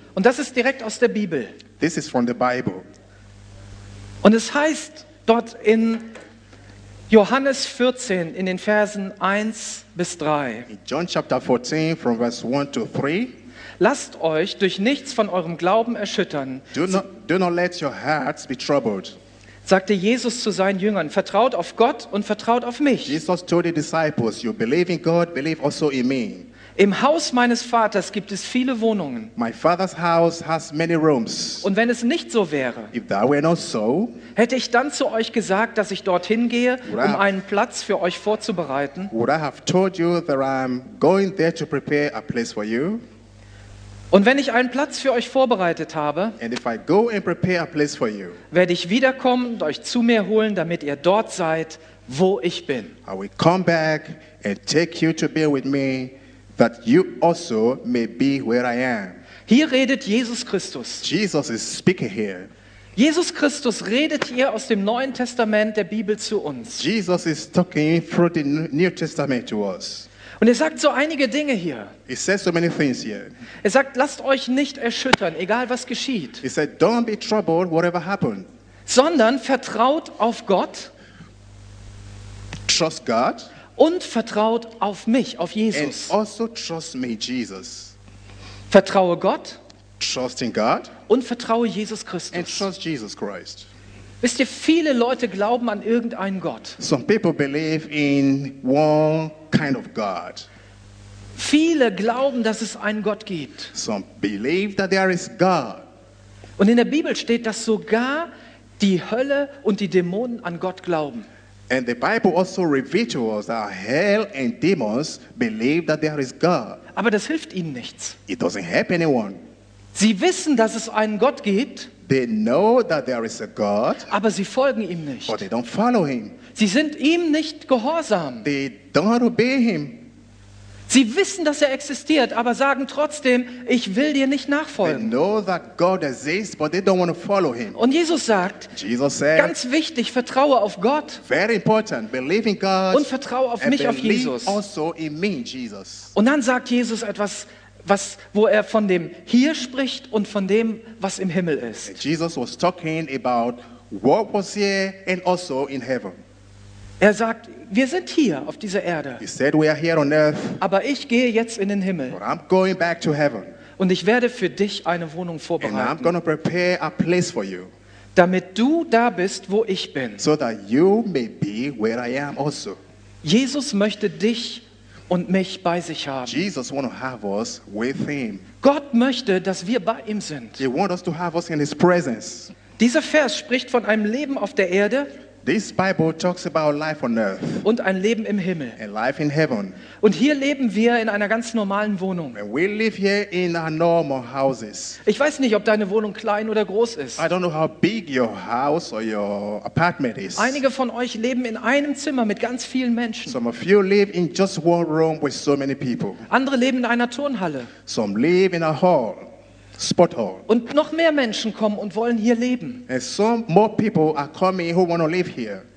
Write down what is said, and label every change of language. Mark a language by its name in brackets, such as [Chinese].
[German] Und das ist direkt aus der Bibel. [English] This is from the Bible. [German] Und es heißt dort in Johannes 14 in den Versen 1 bis 3. [English] In John chapter 14 from verse 1 to 3. [German] Lasst euch durch nichts von eurem Glauben erschüttern. [English] Do not let your hearts be troubled. [German] Sagte Jesus zu seinen Jüngern, vertraut auf Gott und vertraut auf mich. [English] Jesus told the disciples, you believe in God, believe also in me. [German] Im Haus meines Vaters gibt es viele Wohnungen. [English] My father's house has many rooms. [German] Und wenn es nicht so wäre, [English] if that were not so, [German] hätte ich dann zu euch gesagt, dass ich dorthin gehe, um einen Platz für euch vorzubereiten. [English] Would I have told you that I'm going there to prepare a place for you? [German] Und wenn ich einen Platz für euch vorbereitet habe, [English] and if I go and prepare a place for you, [German] werde ich wiederkommen und euch zu mir holen, damit ihr dort seid, wo ich bin. [English] I will come back and take you to be with me, that you also may be where I am. [German] Hier redet Jesus Christus. [English] Jesus is speaking here. [German] Jesus Christus redet hier aus dem Neuen Testament der Bibel zu uns. [English] Jesus is talking through the New Testament to us. [German] Und er sagt so einige Dinge hier. [English] He says so many things here. [German] Er sagt, lasst euch nicht erschüttern, egal was geschieht. [English] He said, don't be troubled, whatever happened. [German] Sondern vertraut auf Gott. [English] Trust God. [German] Und vertraut auf mich, auf Jesus. [English] And also trust me, Jesus. [German] Vertraue Gott. [English] Trust in God. [German] Und vertraue Jesus Christus. [English] And trust Jesus Christ. [German] Wisst ihr, viele Leute glauben an irgendeinen Gott. [English] Some people believe in one kind of God. [German] Viele glauben, dass es einen Gott gibt. [English] Some believe that there is God. [German] Und in der Bibel steht, dass sogar die Hölle und die Dämonen an Gott glauben. [English] And the Bible also reveals to us that hell and demons believe that there is God. [German] Aber das hilft ihnen nichts. [English] It doesn't help anyone. [German] Sie wissen, dass es einen Gott gibt. [English] They know that there is a God, [German] aber sie folgen ihm nicht. [English] But they don't follow him. [German] Sie sind ihm nicht gehorsam. [English] They don't obey him. [German] Sie wissen, dass er existiert, aber sagen trotzdem, ich will dir nicht nachfolgen. [English] They know that God exists, but they don't want to follow him. [German] Und Jesus sagt, [English] Jesus said, [German] ganz wichtig, vertraue auf Gott. [English] Very important, believe in God. [German] Und vertraue auf mich, auf Jesus. [English] Also in me, Jesus. [German] Und dann sagt Jesus etwas, wo er von dem hier spricht und von dem, was im Himmel ist. [English] Jesus was talking about what was here and also in heaven. [German] Er sagt, wir sind hier auf dieser Erde. [English] He said, we are here on earth, [German] aber ich gehe jetzt in den Himmel. [English] But I'm going back to heaven. [German] Und ich werde für dich eine Wohnung vorbereiten. [English] And I'm gonna prepare a place for you. [German] Damit du da bist, wo ich bin. [English] So that you may be where I am also. [German] Jesus möchte dich und mich bei sich haben. [English] Jesus want to have us with him. [German] Gott möchte, dass wir bei ihm sind. [English] He want us to have us in his presence. [German] Dieser Vers spricht von einem Leben auf der Erde. [English] This Bible talks about life on earth. [German] Und ein Leben im Himmel. [English] And life in heaven. [German] Und hier leben wir in einer ganz normalen Wohnung. [English] And we live here in our normal houses. [German] Ich weiß nicht, ob deine Wohnung klein oder groß ist. [English] I don't know how big your house or your apartment is. [German] Einige von euch leben in einem Zimmer mit ganz vielen Menschen. [English] Some of you live in just one room with so many people. [German] Andere leben in einer Turnhalle. [English] Some live in a hall. Spot hall. [German] Und noch mehr Menschen kommen und wollen hier leben. [English] And some more people are coming who want to live here.